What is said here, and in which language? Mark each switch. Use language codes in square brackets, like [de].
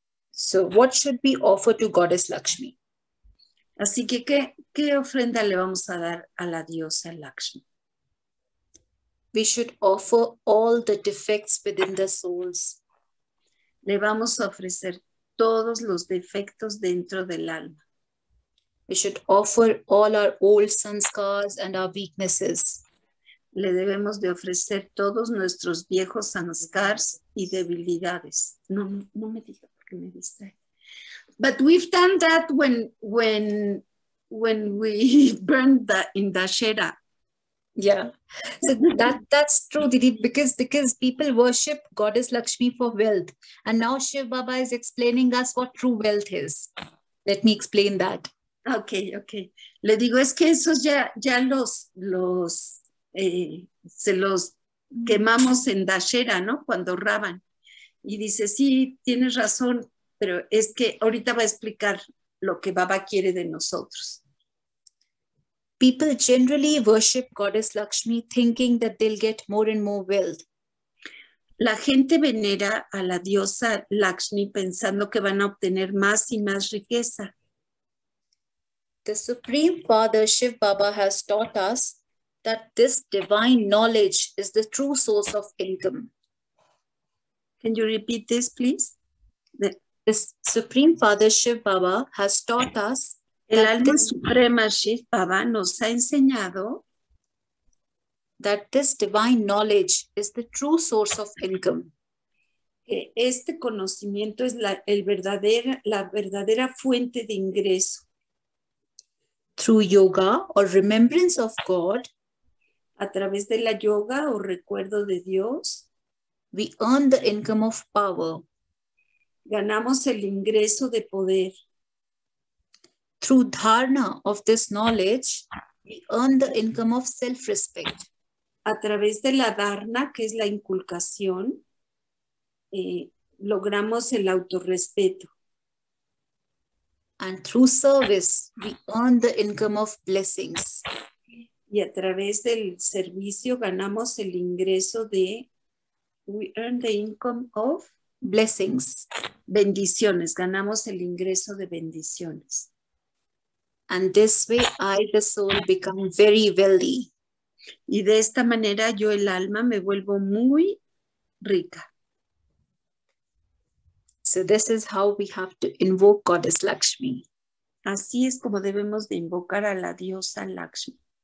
[en] So what should we offer to Goddess Lakshmi? [es] Así que, ¿qué ofrenda le vamos a dar a la diosa Lakshmi? [en] We should offer all the defects within the souls. [es] Le vamos a ofrecer todos los defectos dentro del alma. [en] We should offer all our old sanskars and our weaknesses. [es] Le debemos de ofrecer todos nuestros viejos sanskars y debilidades. No me diga porque me distrae. [en] But we've done that when we burned the indashera. Yeah. So that's true, Didi, because people worship Goddess Lakshmi for wealth. And now Shiv Baba is explaining us what true wealth is. Let me explain that. Okay. [es] Le digo, es que esos ya los se los quemamos en dashera, ¿no? Cuando raban. Y dice, sí, tienes razón. Pero es que ahorita va a explicar lo que Baba quiere de nosotros. [en] People generally worship Goddess Lakshmi thinking that they'll get more and more wealth. [es] La gente venera a la diosa Lakshmi pensando que van a obtener más y más riqueza. [en] The Supreme Father Shiv Baba has taught us that this divine knowledge is the true source of income. Can you repeat this, please? The Supreme Father Shiv Baba has taught us. [es] El alma suprema Shiv Baba nos ha enseñado [en] that this divine knowledge is the true source of income. [es] Este conocimiento es la verdadera fuente de ingreso. [en] Through yoga or remembrance of God, [es] a través de la yoga o recuerdo de Dios, [en] we earn the income of power. [es] Ganamos el ingreso de poder. [en] Through dharana of this knowledge, we earn the income of self-respect. [es] A través de la dharana, que es la inculcación, logramos el autorrespeto. [en] And through service, we earn the income of blessings. [es] Y a través del servicio ganamos el ingreso de, [en] we earn the income of blessings. [es] Bendiciones, ganamos el ingreso de bendiciones. [en] And this way I, the soul, become very wealthy. [es] Y de esta manera yo, el alma, me vuelvo muy rica. [en] So this is how we have to invoke Goddess Lakshmi. [es] Así es como debemos de invocar a la diosa Lakshmi.